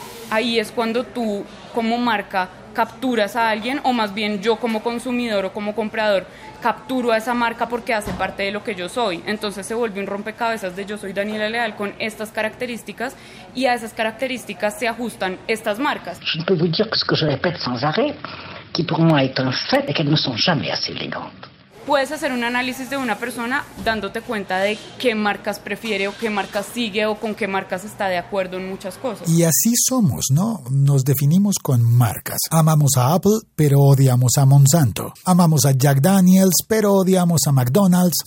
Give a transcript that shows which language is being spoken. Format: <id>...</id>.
<es>Ahí es cuando tú como marca capturas a alguien, o más bien yo como consumidor o como comprador capturo a esa marca porque hace parte de lo que yo soy. Entonces se vuelve un rompecabezas de yo soy Daniela Leal con estas características y a esas características se ajustan estas marcas.</es> <fr>Je ne peux vous dire que ce que je répète sans arrêt, qui pour moi est un fait, et qu'elles ne sont jamais assez élégantes.</fr> <es>Puedes hacer un análisis de una persona dándote cuenta de qué marcas prefiere o qué marcas sigue o con qué marcas está de acuerdo en muchas cosas. Y así somos, ¿no? Nos definimos con marcas. Amamos a Apple, pero odiamos a Monsanto. Amamos a Jack Daniels, pero odiamos a McDonald's.</es>